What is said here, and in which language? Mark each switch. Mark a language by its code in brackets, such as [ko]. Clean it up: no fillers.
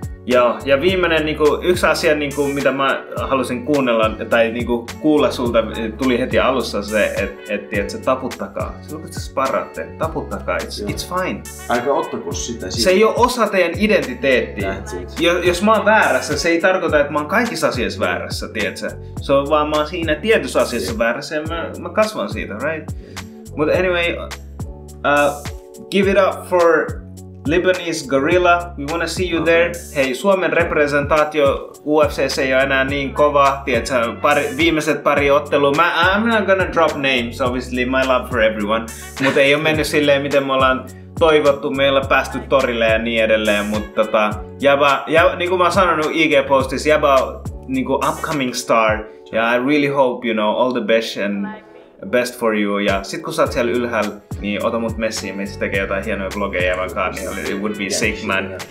[fi] Joo, ja viimeinen, niin kuin, yksi asia, niin kuin, mitä mä halusin kuunnella tai niin kuin, kuulla sulta, tuli heti alussa se, että se taputtakaa. Silloin kun sä sparraatte, taputtakaa, [en] it's fine. [fi] Aika ottako sitä. Se ei ole osa teidän identiteettiä. Jos mä oon väärässä, se ei tarkoita, että mä oon kaikissa asioissa väärässä, tiedätkö? Se on vaan mä oon siinä tietyssä asiassa väärässä ja mä kasvan siitä, right? [en] Mutta anyway, give it up for... Lebanese Gorilla, we wanna see you there. [fi] Hei, Suomen representaatio UFC ei ole enää niin kova. Tiedätkö, viimeiset pari ottelua. [en] I'm not gonna drop names, obviously, my love for everyone. [fi] Mutta ei ole mennyt silleen, miten me ollaan toivottu, me ollaan päästy torille ja niin edelleen. Mutta niin kuin mä oon sanonut IG-postissa, Jaba niin kuin [en] upcoming star. Ja I really hope, you know, all the best and best for you. [fi] Ja sit kun sä oot siellä ylhäällä, niin ota mut messiin, me sit tekee jotain hienoja blogeja vaikkaan, niin [en] it would be sick, man.